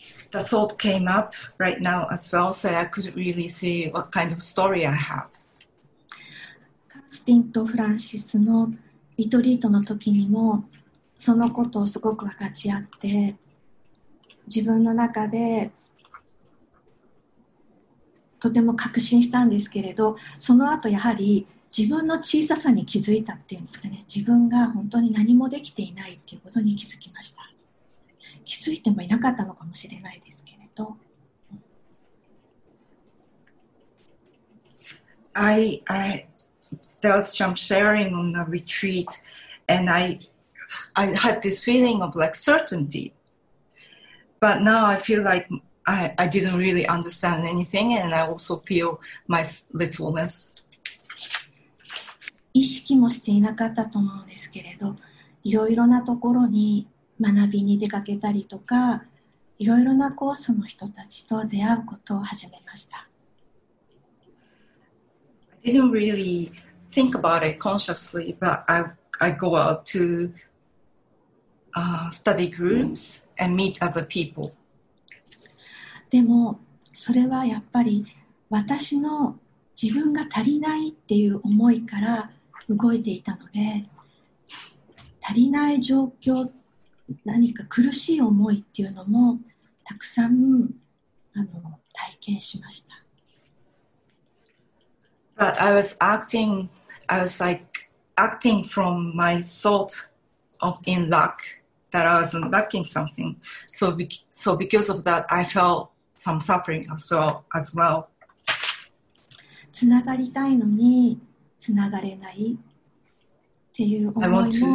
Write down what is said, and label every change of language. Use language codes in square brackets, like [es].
[en] The thought came up right now as well, so I couldn't really see what kind of story I have. [ja] カースティンとフランシスのリトリートの時にも、そのことをすごく分かち合って、自分の中でとても確信したんですけれど、その後やはり自分の小ささに気づいたっていうんですかね、自分が本当に何もできていないっていうことに気づきました。気づいてもいなかったのかもしれないですけれど、 [en] I there was some sharing on the retreat and I had this feeling of like certainty, but now I feel likeI didn't really understand anything, and I also feel my littleness. [ja] 意識もしていなかったと思うんですけれど、いろいろなところに学びに出かけたりとか、いろいろなコースの人たちと出会うことを始めました。 [en] I didn't really think about it consciously, but I go out to study groups and meet other people. [ja] でもそれはやっぱり私の自分が足りないっていう思いから動いていたので、足りない状況、何か苦しい思いっていうのもたくさん体験しました。 [en] But I was acting, I was like acting from my thought of in lack, that I was lacking something, so because of that I feltsome suffering as well. [ja] つながりたいのにつながれないっていう思いも、